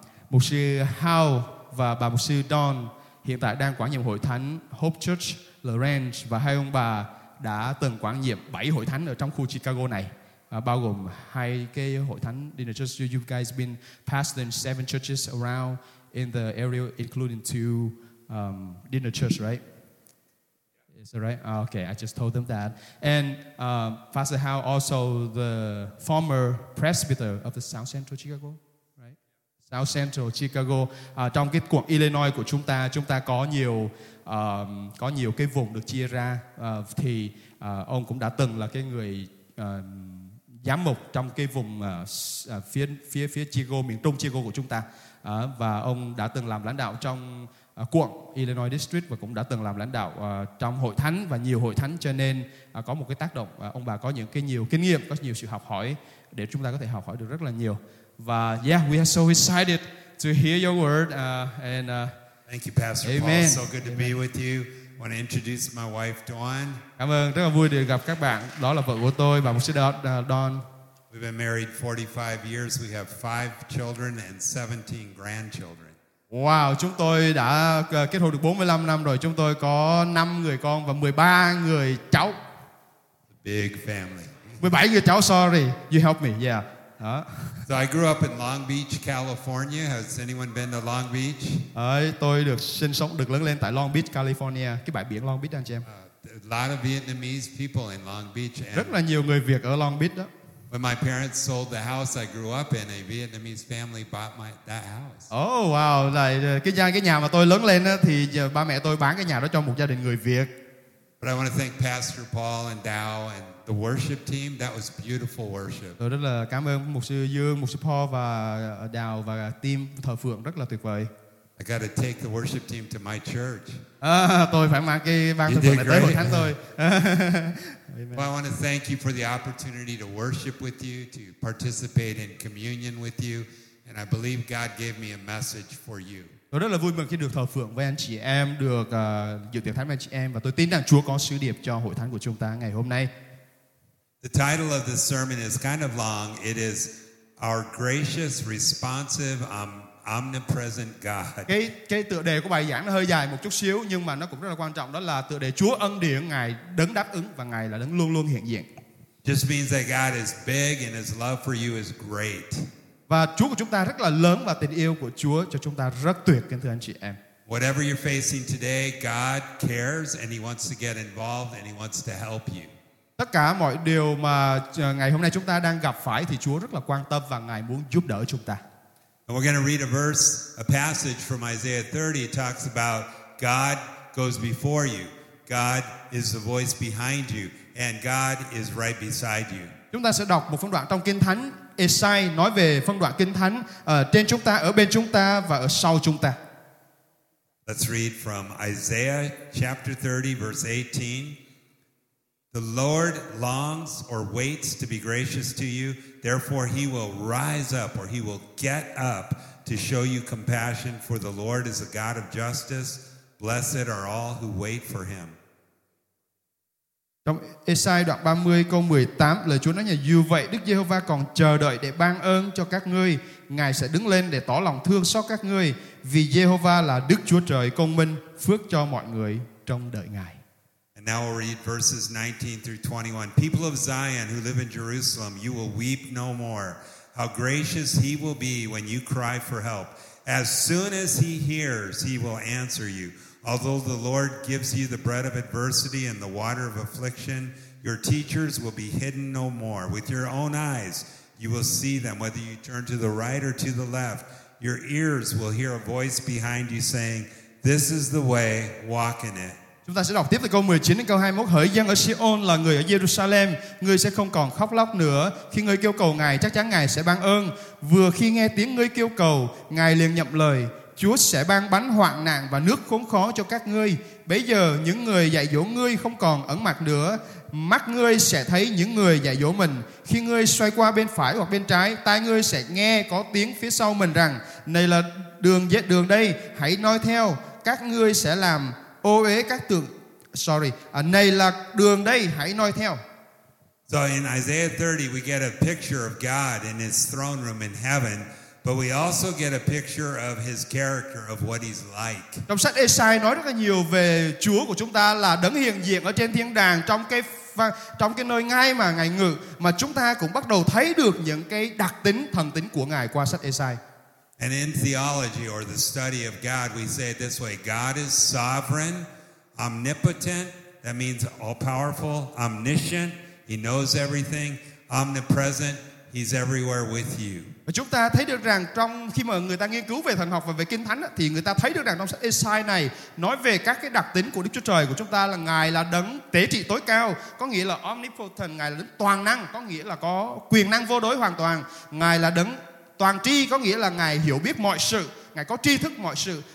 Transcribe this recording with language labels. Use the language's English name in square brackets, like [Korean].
[Vietnamese] Mục sư Howe và bà mục sư Don hiện tại đang quản nhiệm hội thánh Hope Church Lawrence, và hai ông bà đã từng quản nhiệm 7 hội thánh ở trong khu Chicago này, bao gồm hai cái hội thánh [English] in the church. You guys been pastoring 7 churches around in the area, including 2 dinner church, right? Is that right? Okay, I just told them that. And Pastor Howe, also the former presbyter of the South Central Chicago, right? South Central Chicago. [Vietnamese] Trong cái quận Illinois của chúng ta có nhiều cái vùng được chia ra. Thì ông cũng đã từng là cái người giám mục trong cái vùng phía Chicago, miền trung Chicago của chúng ta. Và ông đã từng làm lãnh đạo trong quận Illinois District, và cũng đã từng làm lãnh đạo trong hội thánh và nhiều hội thánh, cho nên có một cái tác động. Ông bà có những cái nhiều kinh nghiệm, có nhiều sự học hỏi để chúng ta có thể học hỏi được rất là nhiều. [English] Và yeah, we are so excited to hear your word. Thank you, Pastor Amen. Paul. So good to Amen. Be with you. I want to introduce my wife, Dawn. [Vietnamese] Cảm ơn, rất là vui được gặp các bạn. Đó là vợ của tôi, bà mục sư Dawn. [English] We've been married 45 years. We have 5 children and 17 grandchildren. [Vietnamese] Wow, chúng tôi đã kết hôn được 45 năm rồi. Chúng tôi có 5 người con và 13 người cháu. [English] Big family. 17 [Vietnamese] người cháu, [English] sorry. You help me, yeah. So I grew up in Long Beach, California. Has anyone been to Long Beach? [Vietnamese] Tôi được sinh sống, được lớn lên tại Long Beach, California. Cái bãi biển Long Beach, anh chị em. [English] A lot of Vietnamese people in Long Beach. [Vietnamese] Rất là nhiều người Việt ở Long Beach đó. [English] When my parents sold the house I grew up in, a Vietnamese family bought that house. [Vietnamese] Oh wow, cái nhà mà tôi lớn lên thì ba mẹ tôi bán cái nhà đó cho một gia đình người Việt. [English] But I want to thank Pastor Paul and Dow and the worship team. That was beautiful worship. [Vietnamese] Tôi rất là cảm ơn mục sư Dương, mục sư Paul và Dow và team thờ phượng, rất là tuyệt vời. [English] I got to take the worship team to my church. [Vietnamese] Tôi phải mang cái ban thờ phượng tới hội thánh tôi. [English] Well, I want to thank you for the opportunity to worship with you, to participate in communion with you, and I believe God gave me a message for you. [Vietnamese] Tôi rất là vui mừng khi được thờ phượng với anh chị em, được dự tiệc thánh với anh chị em, và tôi tin rằng Chúa có sứ điệp cho hội thánh của chúng ta ngày hôm nay. [English] The title of the sermon is kind of long. It is Our Gracious, Responsive, Omnipresent God. [Vietnamese] Cái tựa đề của bài giảng nó hơi dài một chút xíu, nhưng mà nó cũng rất là quan trọng, đó là tựa đề Chúa ân điển, Ngài đấng đáp ứng và Ngài là đấng luôn luôn hiện diện. [English] Just means that God is big and his love for you is great. [Vietnamese] Và Chúa của chúng ta rất là lớn và tình yêu của Chúa cho chúng ta rất tuyệt, kính thưa anh chị em. [English] Whatever you're facing today, God cares and he wants to get involved and he wants to help you. [Vietnamese] Tất cả mọi điều mà ngày hôm nay chúng ta đang gặp phải thì Chúa rất là quan tâm và Ngài muốn giúp đỡ chúng ta. [English] We're going to read a verse, a passage from Isaiah 30. It talks about God goes before you. God is the voice behind you. And God is right beside you. [Vietnamese] Chúng ta sẽ đọc một phân đoạn trong Kinh Thánh. Esai nói về phân đoạn Kinh Thánh trên chúng ta, ở bên chúng ta và ở sau chúng ta. [English] Let's read from Isaiah chapter 30, verse 18. The Lord longs or waits to be gracious to you. Therefore, he will rise up or he will get up to show you compassion. For the Lord is a God of justice. Blessed are all who wait for him. [Vietnamese] Trong Esai đoạn 30 câu 18, lời Chúa nói như dù vậy, Đức Giê-hô-va còn chờ đợi để ban ơn cho các ngươi. Ngài sẽ đứng lên để tỏ lòng thương xót các ngươi. Vì Giê-hô-va là Đức Chúa Trời công minh, phước cho mọi người trong đợi Ngài. [English] Now we'll read verses 19 through 21. People of Zion who live in Jerusalem, you will weep no more. How gracious he will be when you cry for help. As soon as he hears, he will answer you. Although the Lord gives you the bread of adversity and the water of affliction, your teachers will be hidden no more. With your own eyes, you will see them, whether you turn to the right or to the left. Your ears will hear a voice behind you saying, "This is the way, walk in it." [Vietnamese] Chúng ta sẽ đọc tiếp từ câu 19 đến câu 21. Hỡi dân ở Sion là người ở Jerusalem, ngươi sẽ không còn khóc lóc nữa. Khi ngươi kêu cầu Ngài, chắc chắn Ngài sẽ ban ơn. Vừa khi nghe tiếng ngươi kêu cầu, Ngài liền nhậm lời. Chúa sẽ ban bánh hoạn nạn và nước khốn khó cho các ngươi. Bây giờ những người dạy dỗ ngươi không còn ẩn mặt nữa. Mắt ngươi sẽ thấy những người dạy dỗ mình. Khi ngươi xoay qua bên phải hoặc bên trái, tai ngươi sẽ nghe có tiếng phía sau mình rằng, này là đường dễ đường đây, hãy noi theo. Các ngươi sẽ làm ô uế các tượng, này là đường đây, hãy noi theo. [English] So in Isaiah 30 we get a picture of God in his throne room in heaven, But we also get a picture of his character, of what he's like. [Vietnamese] Trong sách Esai nói rất là nhiều về Chúa của chúng ta là đấng hiện diện ở trên thiên đàng, trong cái nơi ngay mà Ngài ngự, mà chúng ta cũng bắt đầu thấy được những cái đặc tính thần tính của Ngài qua sách Esai. [English] And in theology or the study of God, we say it this way: God is sovereign, omnipotent, that means all powerful, omniscient, he knows everything, omnipresent, he's everywhere with you. [Vietnamese] Chúng ta thấy được rằng trong khi mà người ta nghiên cứu về thần học và về kinh thánh thì người ta thấy được rằng trong sách Esai này nói về các cái đặc tính của Đức Chúa Trời của chúng ta là Ngài là đấng tế trị tối cao, có nghĩa là omnipotent, Ngài là đấng toàn năng, có nghĩa là có quyền năng vô đối hoàn toàn. Ngài là đấng toàn tri, có nghĩa là Ngài hiểu biết mọi sự, Ngài có tri thức mọi sự.